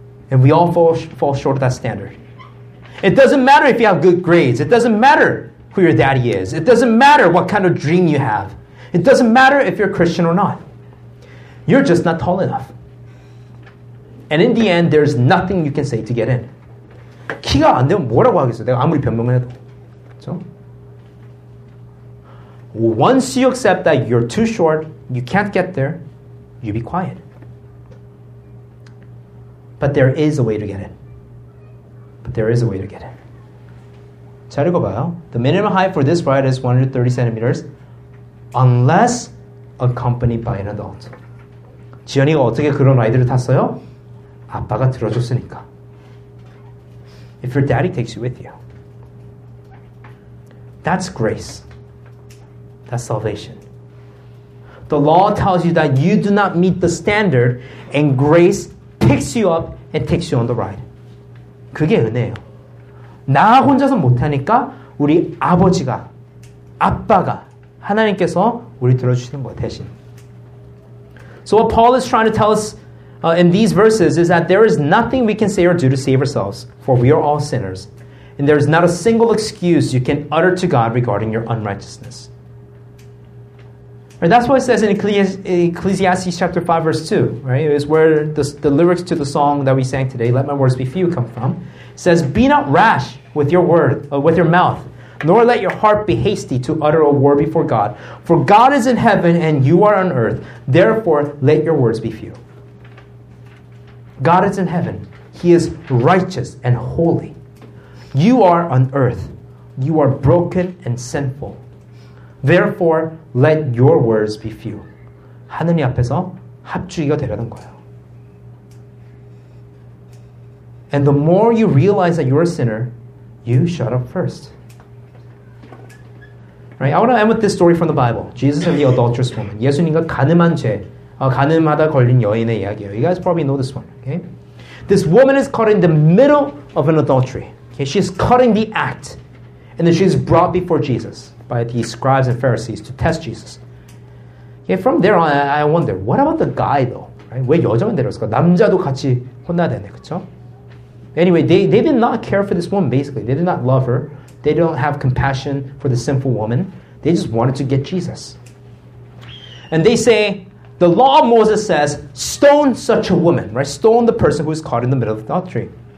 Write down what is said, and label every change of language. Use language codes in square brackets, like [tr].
[en] And we all fall short of that standard. It doesn't matter if you have good grades. It doesn't matter who your daddy is. It doesn't matter what kind of dream you have. It doesn't matter if you're Christian or not. You're just not tall enough. And in the end, there's nothing you can say to get in. [ko] 키가 안 되면 뭐라고 하겠어? 내가 아무리 변명을 해도. 그렇죠? [en] Once you accept that you're too short, you can't get there, you be quiet. But there is a way to get in. There is a way to get it. [ko] 자, 읽어봐요. [en] The minimum height for this ride is 130 centimeters unless accompanied by an adult. [ko] 지연이가 어떻게 그런 라이드를 탔어요? 아빠가 들어줬으니까. [en] If your daddy takes you with you. That's grace. That's salvation. The law tells you that you do not meet the standard and grace picks you up and takes you on the ride. [ko] 그게 은혜예요. 나 혼자서 못하니까 우리 아버지가, 아빠가, 하나님께서 우리 들어주시는 거 대신. [en] So what Paul is trying to tell us in these verses is that there is nothing we can say or do to save ourselves, for we are all sinners. And there is not a single excuse you can utter to God regarding your unrighteousness. And that's what it says in Ecclesiastes chapter 5, verse 2. Right? It's where the lyrics to the song that we sang today, Let My Words Be Few, come from. It says, Be not rash with your word, with your mouth, nor let your heart be hasty to utter a word before God. For God is in heaven and you are on earth. Therefore, let your words be few. God is in heaven. He is righteous and holy. You are on earth. You are broken and sinful. Therefore, let your words be few. [ko] 하느님 앞에서 합주의가 되려는 거예요. [en] And the more you realize that you're a sinner, you shut up first. Right? I want to end with this story from the Bible. Jesus and the adulterous woman. [ko] 예수님과 간음한 죄, 간음하다 걸린 여인의 이야기예요. [en] You guys probably know this one. Okay? This woman is caught in the middle of an adultery. Okay? She's caught in the act. And then she's brought before Jesus by the scribes and Pharisees to test Jesus. Okay, from there on, I wonder, what about the guy though? [ko] Right? 왜 여자만 데려왔을까? 남자도 같이 혼나야 되네, 그쵸? [en] Anyway, they did not care for this woman, basically. They did not love her. They don't have compassion for the sinful woman. They just wanted to get Jesus. And they say, the law of Moses says, stone such a woman, right? Stone the person who is caught in the middle of the adultery.